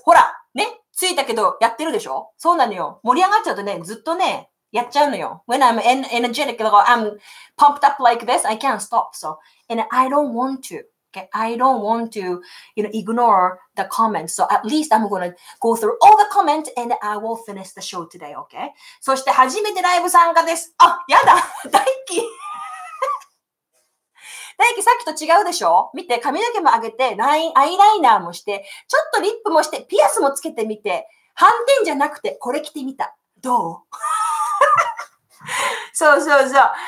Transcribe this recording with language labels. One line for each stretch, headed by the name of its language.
Japanese: ほら、ね、着いたけどやってるでしょ？そうなのよ。盛り上がっちゃうとね、ずっとね、やっちゃうのよ。
English: When I'm energetic, I'm pumped up like this, I can't stop. So, and I don't want to. I don't want to, you know, ignore the comments. So at least I'm going to go through all the comments and I will finish the show today, okay?
Japanese: そして初めてライブ参加です。あ、やだ大輝大輝さっきと違うでしょ見て、髪の毛も上げて、アイライナーもして、ちょっとリップもして、ピアスもつけてみて、反転じゃなくてこれ着てみた。どうそうそうそう。